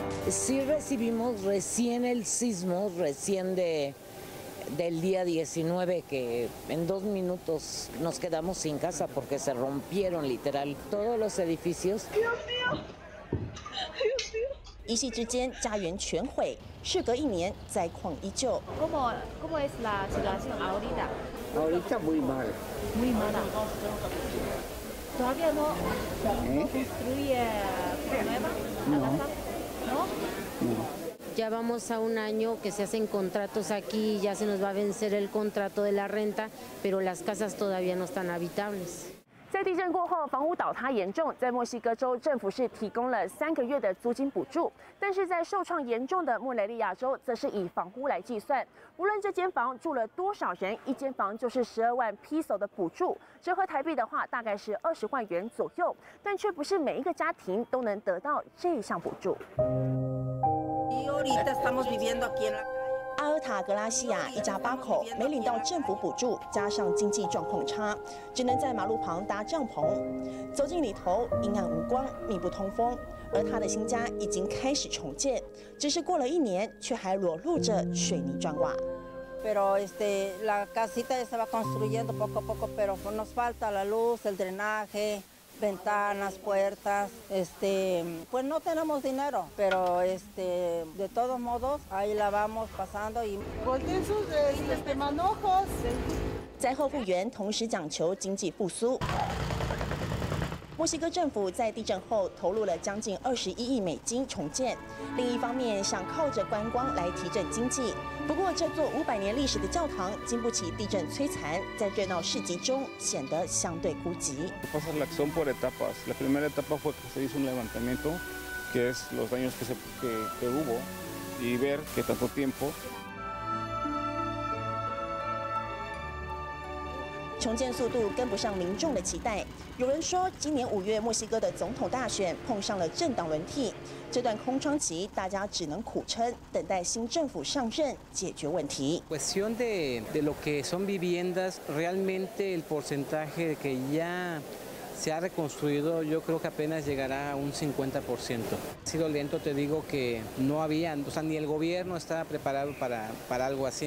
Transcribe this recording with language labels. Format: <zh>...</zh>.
<es>Sí recibimos recién el sismo, recién del día 19, que en 2 minutos nos quedamos sin casa porque se rompieron literal todos los edificios. ¡Dios mío! ¡Dios mío!</es> <zh>一夕之间家园全毁，事隔一年灾况依旧。</zh> <es>¿Cómo es la situación ahorita? Ahorita muy mal. Muy mal. ¿Todavía no construye nueva? No. No. Ya vamos a un año que se hacen contratos aquí, ya se nos va a vencer el contrato de la renta, pero las casas todavía no están habitables.</es> <zh>在地震过后，房屋倒塌严重，在墨西哥州政府是提供了3个月的租金补助，但是在受创严重的莫雷利亚州，则是以房屋来计算。无论这间房住了多少人，一间房就是12万 peso 的补助，折合台币的话，大概是20万元左右，但却不是每一个家庭都能得到这项补助。阿尔塔格拉西亚一家八口没领到政府补助，加上经济状况差，只能在马路旁搭帐篷。走进里头，阴暗无光，密不通风。而他的新家已经开始重建，只是过了一年，却还裸露着水泥砖瓦。</zh> <es>Pero este la casita se va construyendo poco a poco, pero nos falta la luz, el drenaje. Ventanas, puertas, pues no tenemos dinero, pero de todos modos ahí la vamos pasando y volteen sus manojos.</es> <zh>灾后复原同时讲求经济复苏。墨西哥政府在地震后投入了将近$21亿重建，另一方面想靠着观光来提振经济。不过这座500年历史的教堂经不起地震摧残，在热闹市集中显得相对孤寂。</zh> <es>Pasa la acción por etapas. La primera etapa fue que se hizo un levantamiento, que es los daños que hubo y ver que tanto tiempo.</es> <zh>重建速度跟不上民众的期待。有人说，今年5月墨西哥的总统大选碰上了政党轮替，这段空窗期大家只能苦撑，等待新政府上任解决问题。</zh> <es>Cuestión de lo que son viviendas, realmente el porcentaje que ya se ha reconstruido, yo creo que apenas llegará a un 50%. Ha sido lento, te digo que no había, o sea, ni el gobierno estaba preparado para algo así.</es>